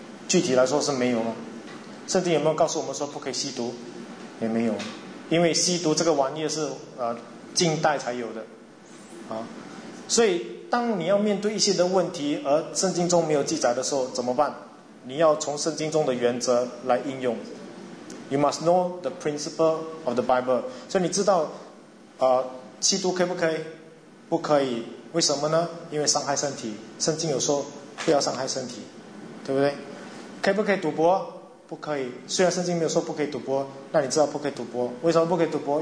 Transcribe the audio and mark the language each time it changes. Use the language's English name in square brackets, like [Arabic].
[Chinese] 具体来说是没有啊。圣经有没有告诉我们说不可以吸毒？也没有，因为吸毒这个玩意是近代才有的啊。所以当你要面对一些的问题而圣经中没有记载的时候怎么办？你要从圣经中的原则来应用。 [English] You must know the principle of the Bible. [Chinese] 所以你知道吸毒可以不可以？不可以。为什么呢？因为伤害身体，圣经有说不要伤害身体，对不对？可以不可以赌博？不可以。虽然圣经没有说不可以赌博，那你知道不可以赌博。为什么不可以赌博？